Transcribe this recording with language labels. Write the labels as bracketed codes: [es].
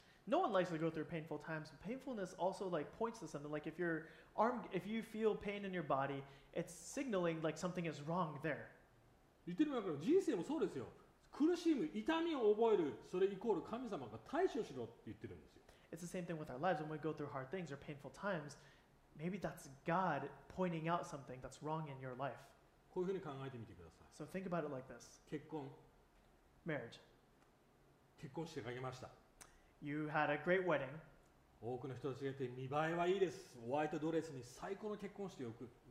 [en] No one likes to go through painful times. Painfulness also like points to something. Like if your arm, if you feel pain in your body, it's signaling like something is wrong there. [ja] 言ってるわけだから人生もそうですよ。苦しむ、痛みを覚える、それイコール神様が対処しろって言ってるんですよ。 [en] It's the same thing with our lives. When we go through hard things or painful times, maybe that's God pointing out something that's wrong in your life. [ja] こういうふうに考えてみてください。 [en] So think about it like this. [ja] 結婚。 [en] Marriage. [ja] 結婚してかけました。 [en] You had a great wedding. [ja] 多くの人たちがいて見栄えはいいです。ホワイトドレスに最高の結婚してよく。